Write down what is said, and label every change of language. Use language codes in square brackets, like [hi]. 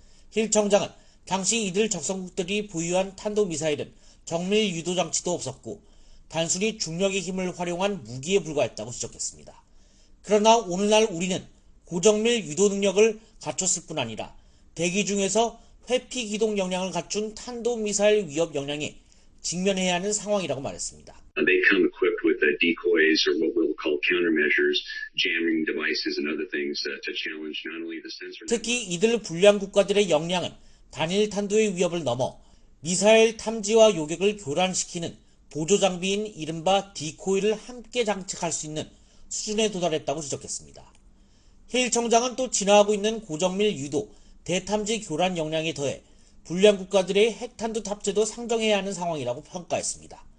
[ko] 힐 청장은 당시 이들 적성국들이 보유한 탄도미사일은 정밀 유도 장치도 없었고 단순히 중력의 힘을 활용한 무기에 불과했다고 지적했습니다. 그러나 오늘날 우리는 고정밀 유도 능력을 갖췄을 뿐 아니라 대기 중에서 회피 기동 역량을 갖춘 탄도미사일 위협 역량에 직면해야 하는 상황이라고 말했습니다. [en] They come equipped with decoys or what we'll call countermeasures, jamming devices and other things to challenge not only the sensor. [ko] 특히 이들 불량 국가들의 역량은 단일 탄도의 위협을 넘어 미사일 탐지와 요격을 교란시키는 보조 장비인 이른바 디코이를 함께 장착할 수 있는 수준에 도달했다고 지적했습니다. 힐 청장은 또 진화하고 있는 고정밀 유도, 대탐지 교란 역량에 더해 불량 국가들의 핵탄두 탑재도 상정해야 하는 상황이라고 평가했습니다.